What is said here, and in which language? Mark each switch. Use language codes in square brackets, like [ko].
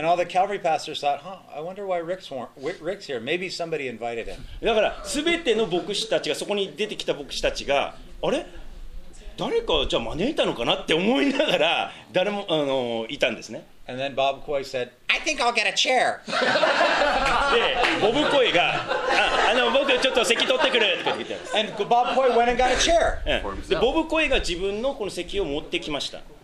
[en] And all the Calvary pastors thought, huh, I wonder why Rick's here. Maybe somebody invited him. [ja] だから全ての牧師たちがそこに出てきた牧師たちがあれ誰かじゃあ招いたのかなって思いながら誰もいたんですね。 [en] And then Bob Coy said, I think I'll get a chair. [ja] で、ボブコイが、僕ちょっと席取ってくれって言ってたんです。 [en] And Bob Coy went and got a chair. [ja] で、ボブコイが自分のこの席を持ってきました。